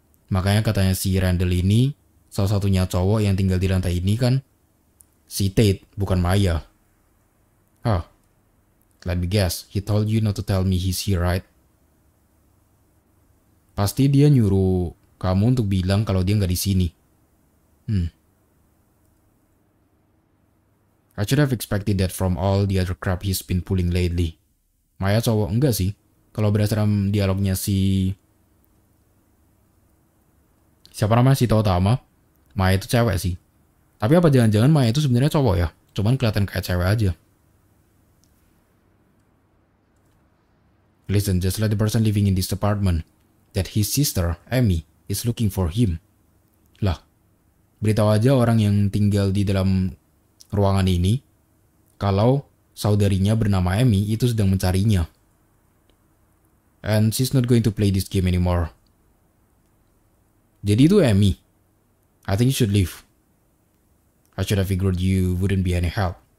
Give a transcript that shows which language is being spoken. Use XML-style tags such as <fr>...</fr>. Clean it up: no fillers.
<id>Makanya katanya si Randall ini salah satunya cowok yang tinggal di lantai ini kan. Si Tate, bukan Maya.</id> <en>Huh, let me guess, he told you not to tell me he's here, right?</en> <id>Pasti dia nyuruh kamu untuk bilang kalau dia nggak di sini.</id> <en>I should have expected that from all the other crap he's been pulling lately.</en> <id>Maya cowok enggak sih? Kalau berdasarkan dialognya si... Siapa namanya? Si Totama? Maya itu cewek sih. Tapi apa jangan-jangan Maya itu sebenarnya cowok ya? Cuman kelihatan kayak cewek aja.</id> <en>Listen, just let the person living in this apartment that his sister, Amy, is looking for him.</en> <id>Lah, beritahu aja orang yang tinggal di dalam ruangan ini kalau saudarinya bernama Amy itu sedang mencarinya.</id> <en>And she's not going to play this game anymore.</en> <id>Jadi itu Amy.</id> <en>I think you should leave. I should have figured you wouldn't be any help.</en>